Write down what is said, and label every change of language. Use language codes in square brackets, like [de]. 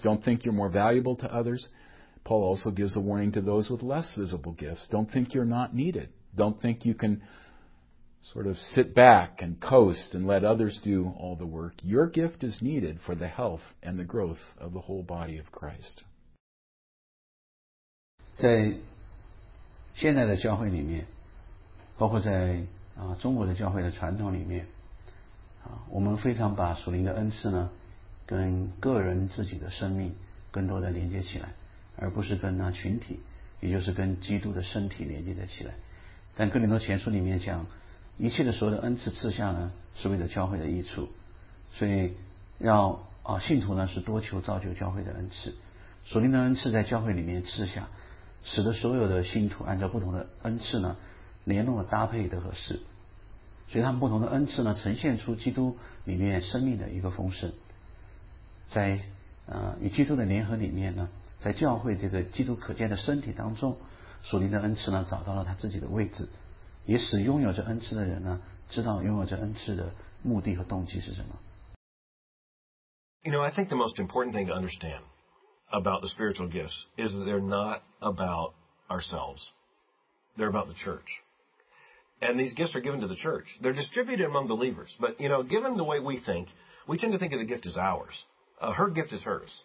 [en] Don't think you're more valuable to others. Paul also gives a warning to those with less visible gifts. Don't think you're not needed. Don't think you can sort of sit back and coast and let others do all the work. Your gift is needed for the health and the growth of the whole body of Christ. [zh] 在现在的教会里面，包括在中国的教会的传统里面，我们非常把属灵的恩赐呢，跟个人自己的生命更多的连接起来，而不是跟那群体，也就是跟基督的身体连接的起来。但哥林多前书里面讲，一切的所有的恩赐赐下呢，是为了教会的益处，所以要信徒呢是多求造就教会的恩赐，属灵的恩赐在教会里面赐下，使得所有的信徒按照不同的恩赐呢，联络搭配的合适，所以他们不同的恩赐呢，呈现出基督里面生命的一个丰盛，在与基督的联合里面呢，在教会这个基督可见的身体当中，属灵的恩赐呢找到了他自己的位置，也使拥有这恩赐的人呢知道拥有这恩赐的目的和动机是什么。 [en] You know, I think the most important thing to understand about the spiritual gifts is that they're not about ourselves. They're about the church. And these gifts are given to the church. They're distributed among believers. But, you know, given the way we think, we tend to think of the gift as ours. Her gift is hers.